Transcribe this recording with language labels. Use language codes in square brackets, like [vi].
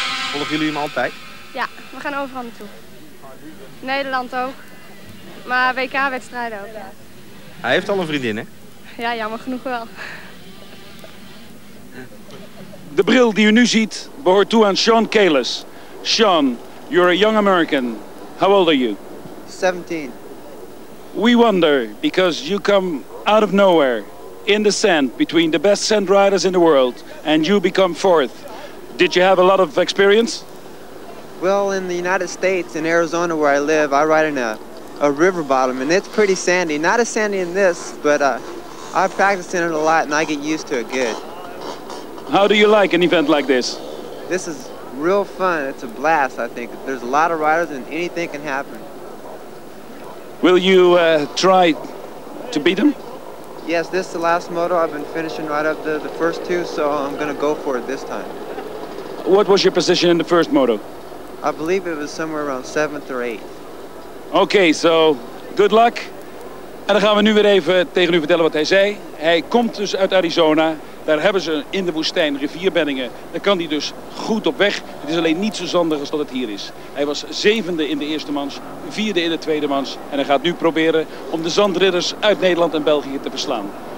[nl] Volgen jullie hem altijd? Ja, we gaan overal naartoe. Nederland ook. Maar WK-wedstrijden ook. Hij heeft al een vriendin, hè? Ja, jammer genoeg wel. De bril die u nu ziet behoort toe aan Sean Kalis. [en] Sean, you're a young American. How old are you? 17. We wonder, because you come out of nowhere, in the sand between the best sand riders in the world and you become fourth. Did you have a lot of experience? Well, in the United States, in Arizona where I live, I ride in a river bottom and it's pretty sandy. Not as sandy in this, but I've practiced in it a lot and I get used to it good. How do you like an event like this? This is real fun. It's a blast, I think. There's a lot of riders and anything can happen. Will you try to beat them? Yes, this is the last moto. I've been finishing right up the first two, so I'm going to go for it this time. What was your position in the first moto? I believe it was somewhere around 7th or 8th. Okay, so good luck. [nl] En dan gaan we nu weer even tegen u vertellen wat hij zei. Hij komt dus uit Arizona. Daar hebben ze in de woestijn rivierbeddingen. Daar kan hij dus goed op weg. Het is alleen niet zo zandig als dat het hier is. Hij was 7e in de eerste mans, 4e in de tweede mans. En hij gaat nu proberen om de zandridders uit Nederland en België te verslaan.